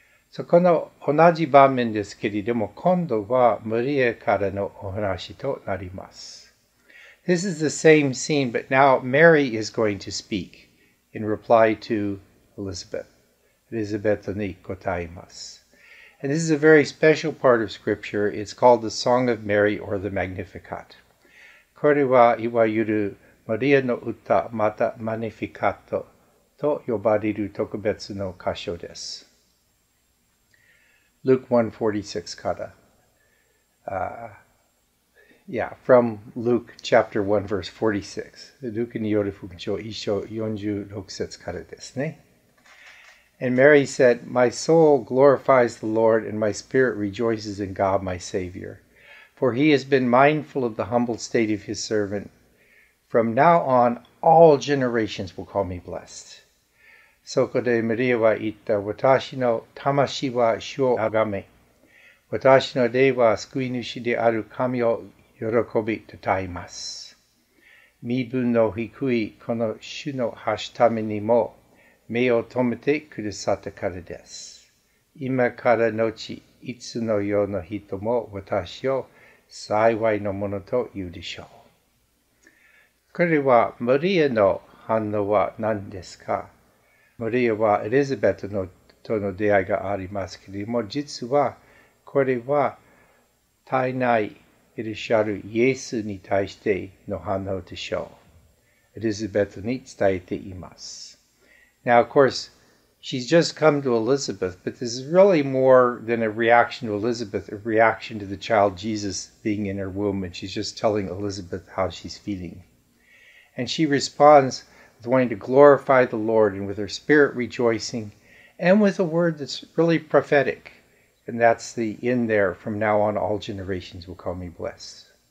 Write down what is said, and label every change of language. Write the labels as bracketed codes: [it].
[ja] そこの同じ場面ですけれども、今度はマリアからのお話となります。 [en] This is the same scene, but now Mary is going to speak in reply to Elizabeth. [ja] Elizabeth に答えます。 [en] And this is a very special part of Scripture. It's called the Song of Mary or the Magnificat. [ja] これはいわゆるマリアの歌、またマニフィカットと呼ばれる特別の箇所です。 Luke 1:46 から。 [en] From Luke chapter 1 verse 46. Luke [ja] による福音書一章46節からですね。 [en] And Mary said, My soul glorifies the Lord, and my spirit rejoices in God my Savior. For he has been mindful of the humble state of his servant. From now on, all generations will call me blessed. [ja] そこでマリアは言った、私の魂は主をあがめ。私の霊は救い主である神を喜び讃えます。身分の低いこの主の発すためにも目を留めてくださったからです。今から後、いつのような人も私を幸いのものと言うでしょう。これはマリアの反応は何ですか？マリアはエリザベトのとの出会いがありますけれども、実はこれは体内いらっしゃるイエスに対しての反応でしょう。エリザベトに伝えています。 [en] Now, of course, she's just come to Elizabeth, but this is really more than a reaction to Elizabeth, a reaction to the child Jesus being in her womb, and she's just telling Elizabeth how she's feeling. And she responds with wanting to glorify the Lord and with her spirit rejoicing, and with a word that's really prophetic, and that's the in there, from now on all generations will call me blessed.